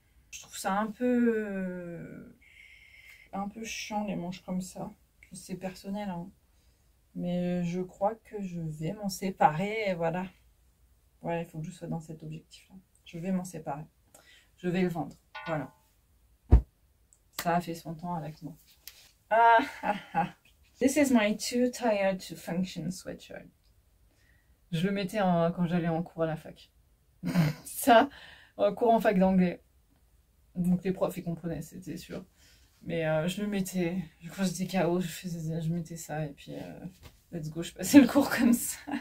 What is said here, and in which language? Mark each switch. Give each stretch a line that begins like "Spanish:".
French: Je trouve ça un peu chiant les manches comme ça. C'est personnel, hein. Mais je crois que je vais m'en séparer. Et voilà. Voilà, il faut que je sois dans cet objectif-là. Je vais m'en séparer. Je vais le vendre. Voilà. Ça a fait son temps avec moi.
English: Ah, this is my too tired to function sweatshirt.
French: Je le mettais quand j'allais en cours à la fac. Ça, en cours en fac d'anglais. Donc les profs, ils comprenaient, c'était sûr. Mais je le mettais, je crois que j'étais KO, je mettais ça et puis
English: let's go,
French: je passais le cours comme ça.